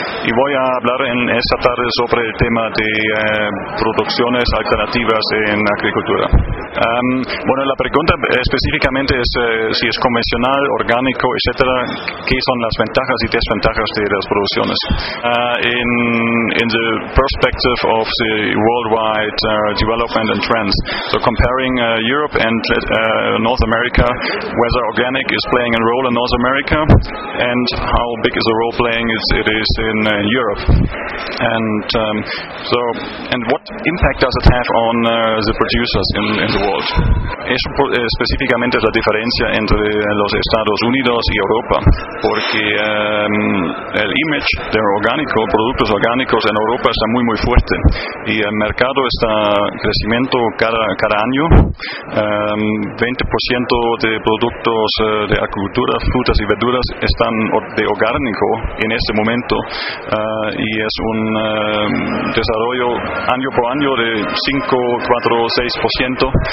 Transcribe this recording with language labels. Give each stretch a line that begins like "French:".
Spanish: Y voy a hablar en esta tarde sobre el tema de producciones alternativas en agricultura. Bueno, la pregunta específicamente es si es convencional, orgánico, etcétera, ¿qué son las ventajas y desventajas de las producciones?
English: In the perspective of the worldwide development and trends, so comparing Europe and North America, whether organic is playing a role in North America and how big is the role playing it is in Europe. And so, and what impact does it have on the producers in the world?
Spanish: Eso específicamente es la diferencia entre los Estados Unidos y Europa, porque el image de orgánico, productos orgánicos en Europa está muy muy fuerte y el mercado está creciendo cada año. 20% de productos de agricultura, frutas y verduras están de orgánico en este momento, y es un desarrollo año por año de 5, 4, 6%.